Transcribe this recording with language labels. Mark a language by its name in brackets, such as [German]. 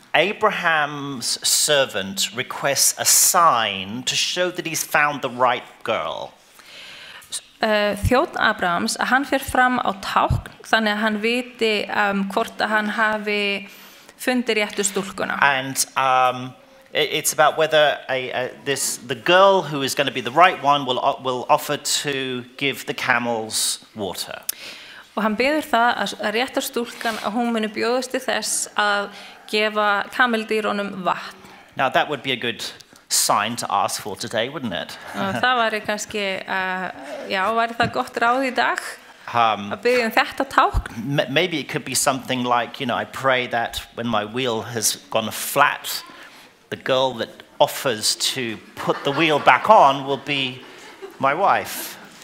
[English] Abraham's servant requests a sign to show that he's found the right girl. [Icelandic] Þjónn Abrahams, að hann fer fram á tákn, þannig að hann viti hvort að hann hafi fundið réttu stúlkuna. [English] And it's about whether the girl who is going to be the right one will offer to give the camels water. [Icelandic] Og hann biður það að réttar stúlkan að hún muni bjóðast til þess að gefa kameldýrunum vatn. [English] Now that would be a good sign to ask for today, wouldn't it? [Icelandic] Það væri kannski væri það gott ráð í dag. Að biðja þetta tákn. [English] Maybe it could be something like, you know, I pray that when my wheel has gone flat, the girl that offers to put the wheel back on will be my wife.